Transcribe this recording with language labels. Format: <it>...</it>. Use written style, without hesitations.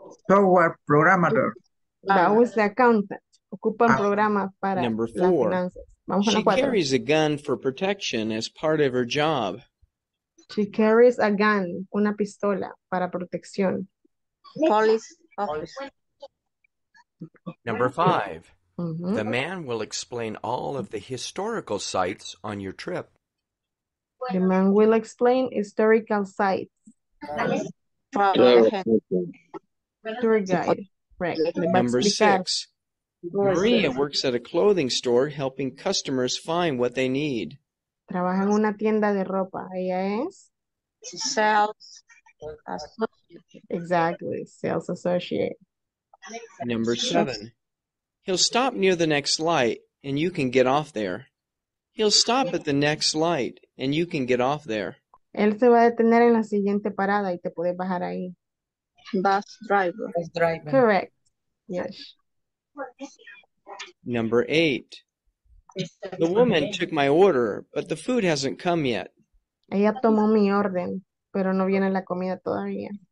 <en>Software programmer. That was the accountant.</en> <es>Ocupan programa para</es> <en>Number 4. She carries a gun for protection as part of her job. She carries a gun,</en> <es>una pistola, para protección.</es> <en>Police. Number 5. Mm-hmm. The man will explain all of the historical sites on your trip. The man will explain historical sites. Tour guide. Right. Number 6. Maria works at a clothing store helping customers find what they need.</en> <es>Trabaja en una tienda de ropa. Ella es?</es> <en>Sales associate. Exactly. Sales associate. Number 7. He'll stop near the next light and you can get off there. He'll stop at the next light and you can get off there.</en> <es>Él se va a detener en la siguiente parada y te puedes bajar ahí.</es> <en>Bus driver. Correct. Yes. Number 8. The woman took my order, but the food hasn't come yet.</en> <es>Ella tomó mi orden, pero no viene la comida todavía.</es>